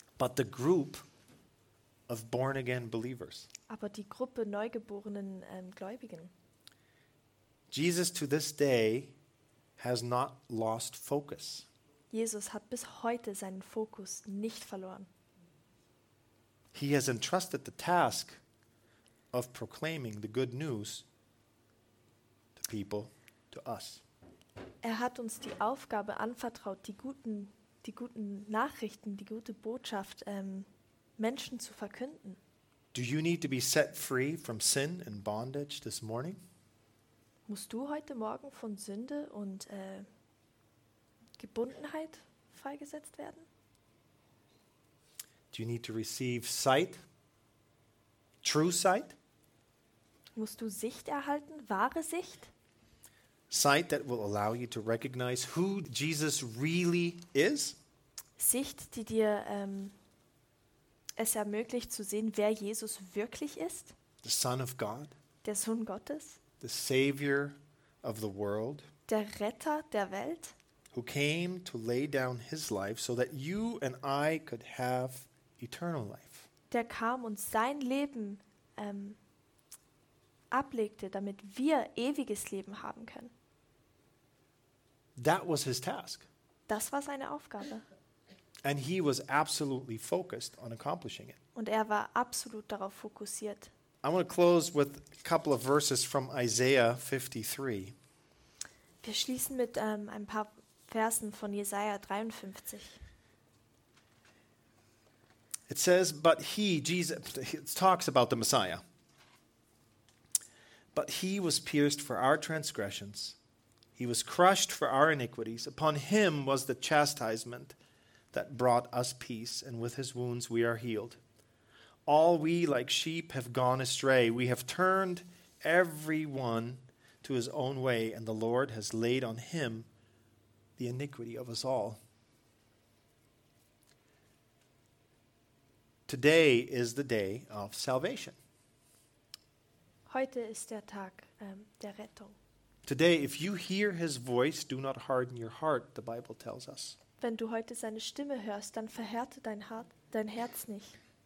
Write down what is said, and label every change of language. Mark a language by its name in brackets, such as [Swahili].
[English] But the group of born again believers. [German] Aber die Gruppe neugeborenen Gläubigen. [English] Jesus to this day has not lost focus. [German] Jesus hat bis heute seinen Fokus nicht verloren. [English] He has entrusted the task of proclaiming the good news to people, to us. [German] Er hat uns die Aufgabe anvertraut, die guten Nachrichten, die gute Botschaft Menschen zu verkünden. [English] Do you need to be set free from sin and bondage this morning? [German] Musst du heute Morgen von Sünde und Gebundenheit freigesetzt werden? [English] Do you need to receive sight, true sight? [German] Musst du Sicht erhalten, wahre Sicht? [English] Sight that will allow you to recognize who Jesus really is. [German] Sicht, die dir es ermöglicht zu sehen, wer Jesus wirklich ist. [English] The Son of God. [German] Der Sohn Gottes. [English] The Savior of the world. [German] Der Retter der Welt. [English] Who came to lay down his life so that you and I could have eternal life. [German] Der kam und sein Leben ablegte, damit wir ewiges Leben haben können. [English] That was his task. [German] Das war seine Aufgabe. [English] And he was absolutely focused on accomplishing it. [German] Und er war absolut darauf fokussiert. [English] I want to close with a couple of verses from Isaiah 53. [German] Wir schließen mit ein paar Versen von Jesaja 53. [English] It says, but he, Jesus, it talks about the Messiah. But he was pierced for our transgressions. He was crushed for our iniquities. Upon him was the chastisement that brought us peace, and with his wounds we are healed. All we like sheep have gone astray. We have turned everyone to his own way, and the Lord has laid on him the iniquity of us all. Today is the day of salvation. [German] Heute ist der Tag der Rettung. [English] Today, if you hear his voice, do not harden your heart, the Bible tells us. [German] Wenn du heute seine Stimme hörst, dann verhärte dein Herz nicht.